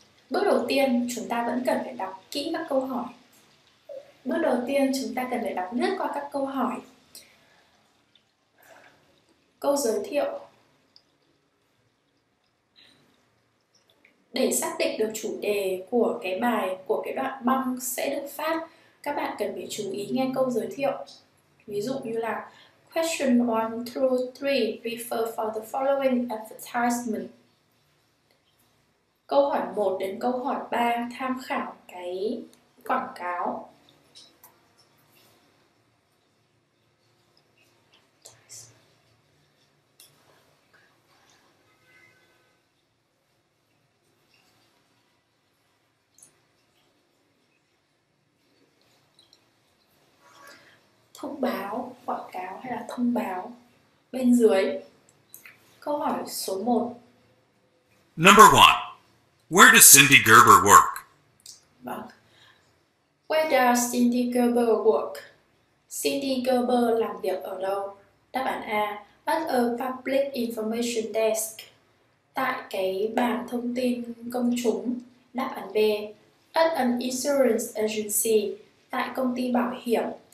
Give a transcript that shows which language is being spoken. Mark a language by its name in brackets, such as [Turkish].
[Vietnamese] Bước đầu tiên, chúng ta vẫn cần phải đọc kỹ các câu hỏi. Bước đầu tiên, chúng ta cần phải đọc lướt qua các câu hỏi. Câu giới thiệu. Để xác định được chủ đề của cái bài, của cái đoạn băng sẽ được phát, các bạn cần phải chú ý nghe câu giới thiệu. [English] Ví dụ như là Question 1 through 3 refer for the following advertisement. [Vietnamese] Câu hỏi 1 đến câu hỏi 3 tham khảo cái quảng cáo. Thông báo, quảng cáo hay là thông báo bên dưới. Câu hỏi số 1. [English] Number 1. Where does Cindy Gerber work? Where does Cindy Gerber work? [Vietnamese] Cindy Gerber làm việc ở đâu? Đáp án A, at a public information desk. Tại cái bàn thông tin công chúng. [English] Đáp án B, at an insurance agency. [Vietnamese] Tại công ty bảo hiểm.